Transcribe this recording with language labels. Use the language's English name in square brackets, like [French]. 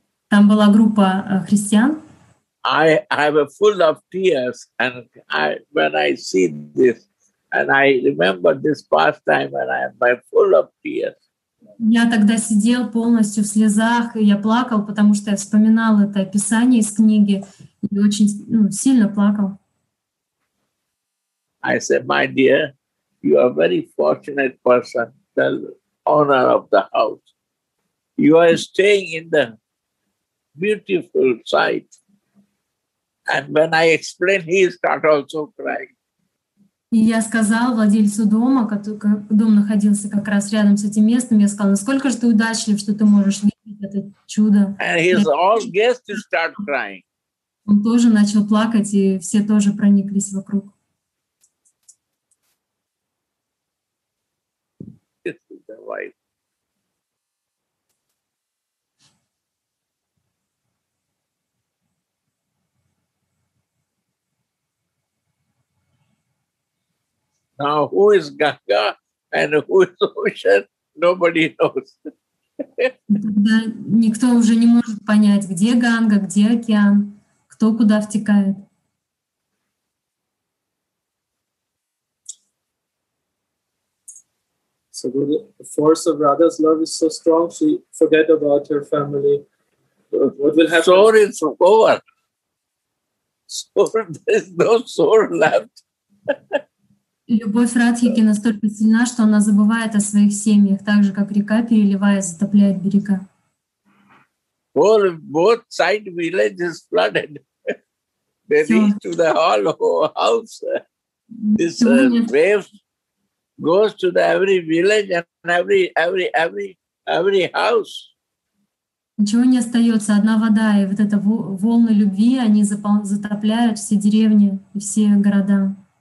[Russian] Там была группа христиан. [English] I have a full of tears and I when I see this and I remember this past time and I am full of tears. [Russian] Я тогда сидел полностью в слезах, и я плакал, потому что я вспоминал это описание из книги и очень, ну, сильно плакал. [English] I said, my dear, you are a very fortunate person, the owner of the house. You are staying in the beautiful site. And when I explained, he started also crying. [Russian] И я сказал владельцу дома, дом находился как раз рядом с этим местом, я сказал, насколько же ты удачлив, что ты можешь видеть это чудо. [English] And his all guests start crying. [Russian] Он тоже начал плакать, и все тоже прониклись вокруг. [English] Now, who is Ganga and who is ocean? Nobody knows. [Russian] Никто уже не может понять, где Ганга, где океан, кто куда втекает. [English] So the force of Radha's love is so strong, she forget about her family. What will happen? Soul is over. There is no soul left. [Russian] Любовь Радхики настолько сильна, что она забывает о своих семьях, так же, как река переливает, затопляет берега. [English] Both side villages flooded. maybe to the hollow house. This wave goes to the every village and every house. [Russian] Ничего не остается, одна вода, и вот эта волны любви, они затопляют все деревни и все города.